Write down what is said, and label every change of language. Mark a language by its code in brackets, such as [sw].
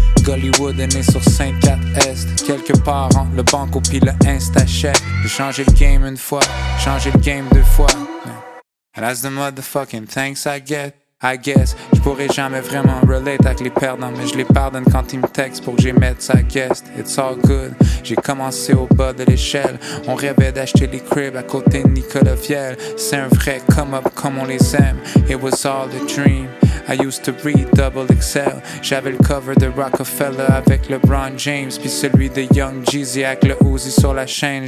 [fr] Gollywood est né sur 5-4-Est. Quelque part entre le banco pis le Insta-check. J'ai changé le game une fois, changé le game deux fois. [en] And that's the motherfucking thanks I get, I guess. [fr] J'pourrais jamais vraiment relate avec les perdants, mais j'les pardonne quand ils me textent pour que j'y mette sa guest. [en] It's all good, [fr] j'ai commencé au bas de l'échelle. On rêvait d'acheter les cribs à côté de Nicolas Viel. C'est un vrai come up comme on les aime. [en] It was all a dream. I used to read Double XL. [fr] J'avais le cover de Rockefeller avec LeBron James, puis celui de Young Jeezy avec le Uzi sur la chaîne.